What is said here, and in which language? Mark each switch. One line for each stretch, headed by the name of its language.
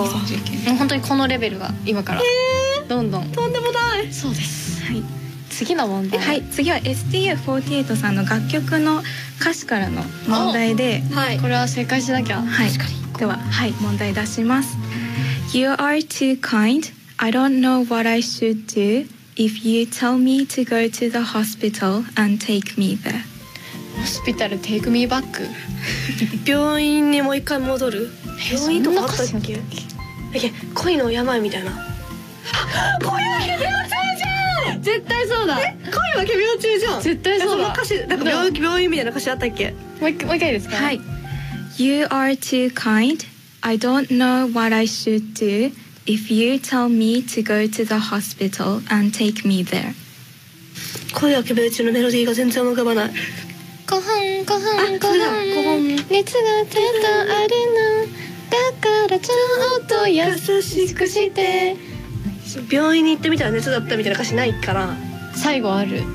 Japanese: もう本当にこのレベルが今からどんどん、とんでもない。そうです。はい、次の問題、はい、次は STU48 さんの楽曲の歌詞からの問題で、はい、これは正解しなきゃ、はい、確かに。では、はい、問題出します。
English: You are too kind. I don't know what I should do if you tell me to go to the hospital and take me there. ホスピタル take me back?
Japanese: 病院にもう一回戻る。病院とかあったっけ？恋の病みたいな。恋は病気だ。絶対そうだ。え、恋は奇妙中じゃん。絶対そうだ。その歌詞、なんか病院みたいな歌詞あったっけ？もう一回いいですか？はい。
English: You are too kind. I don't know what I should do if you tell me to go to the hospital and take me there.
Japanese: 恋は奇妙中のメロディーが全然浮かばない。ごはんごはんごはん。熱が出たあるの。だからちょっと優しくして。病院に行ってみたら熱だったみたいな歌詞ないから。最後ある。